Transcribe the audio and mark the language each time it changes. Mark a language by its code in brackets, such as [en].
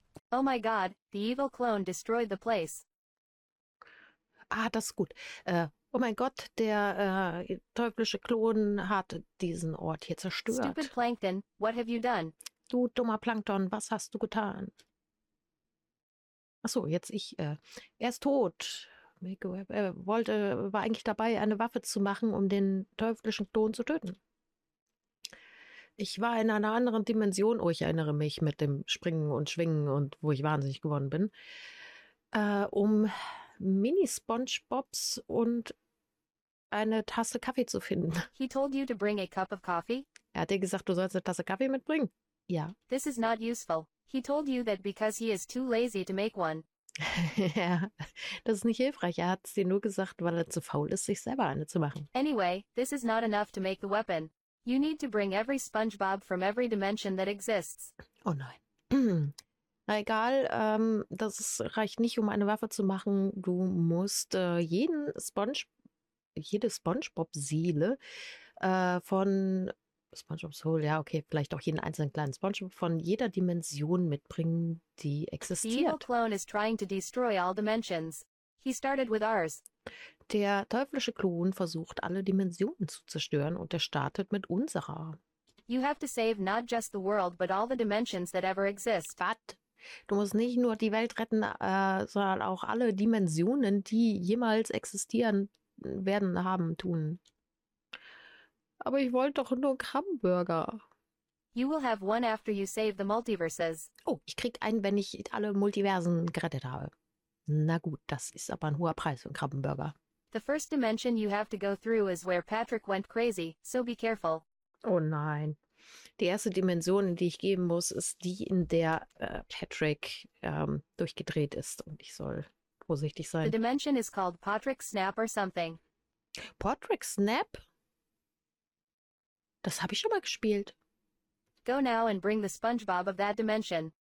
[en] Oh my god, the evil clone destroyed the place. [de] Ah, das ist gut. Oh mein Gott, der teuflische Klon hat diesen Ort hier zerstört. [en] Stupid Plankton, what have you done? [de] Du dummer Plankton, was hast du getan? Achso, jetzt ich. Er ist tot. Er wollte, war eigentlich dabei, eine Waffe zu machen, um den teuflischen Klon zu töten. Ich war in einer anderen Dimension, oh, ich erinnere mich, mit dem Springen und Schwingen und wo ich wahnsinnig geworden bin, um Mini-Spongebobs und eine Tasse Kaffee zu finden. [en] He told you to bring a cup of coffee? [de] Er hat dir gesagt, du sollst eine Tasse Kaffee mitbringen. Ja. [en] This is not useful. He told you that because he is too lazy to make one. [de] Ja, das ist nicht hilfreich. Er hat es dir nur gesagt, weil er zu faul ist, sich selber eine zu machen. [en] Anyway, this is not enough to make the weapon. You need to bring every SpongeBob from every dimension that exists. [de] Oh nein. Na egal, das reicht nicht, um eine Waffe zu machen. Du musst jede SpongeBob-Seele von SpongeBob's Hole, ja okay, vielleicht auch jeden einzelnen kleinen SpongeBob von jeder Dimension mitbringen, die existiert. [en] The evil clone is trying to destroy all dimensions. He started with ours. [de] Der teuflische Klon versucht, alle Dimensionen zu zerstören und er startet mit unserer. [en] You have to save not just the world, but all the dimensions that ever exist. What? [de] Du musst nicht nur die Welt retten, sondern auch alle Dimensionen, die jemals existieren werden haben, tun. Aber ich wollte doch nur einen Hamburger. [en] You will have one after you save the multiverses. [de] Oh, ich krieg einen, wenn ich alle Multiversen gerettet habe. Na gut, das ist aber ein hoher Preis für einen Krabbenburger. [en] The first dimension you have to go through is where Patrick went crazy, so be careful. [de] Oh nein. Die erste Dimension, die ich geben muss, ist die, in der Patrick durchgedreht ist. Und ich soll vorsichtig sein. [en] The dimension is called Patrick Snap or something. Patrick Snap? [de] Das habe ich schon mal gespielt. [en] Go now and bring the SpongeBob of that dimension.